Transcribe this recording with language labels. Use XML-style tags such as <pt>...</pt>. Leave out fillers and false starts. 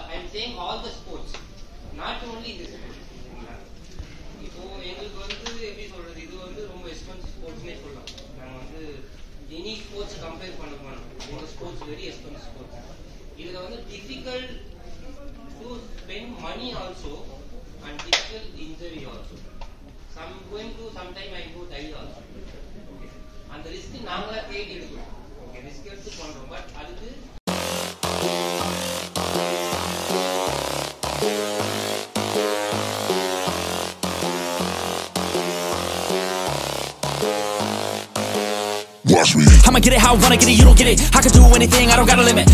<en>saying all the sports, not only this sport.</en> <ta>இப்போ எங்களுக்கு வந்து எப்படி சொல்றது, இது வந்து ரொம்ப எக்ஸ்பென்சிவ் ஸ்போர்ட்ஸ்னே சொல்லலாம். நாங்க வந்து எனி ஸ்போர்ட்ஸ் கம்பேர் பண்ண போனோம், இந்த ஸ்போர்ட்ஸ்</ta> <en>Very expensive sports.</en> <ta>இதுல வந்து</ta> <en>Difficult to spend money also and difficult injury also. Some going to some time I go die also.</en> <ta>அந்த ரிஸ்க் நாங்களா தேடி எடுக்கிறோம், ரிஸ்க் எடுத்து பண்றோம். பட் அதுக்கு</ta> <en>I'ma get it how I wanna get it, you don't get it. I can do anything, I don't got a limit.</en>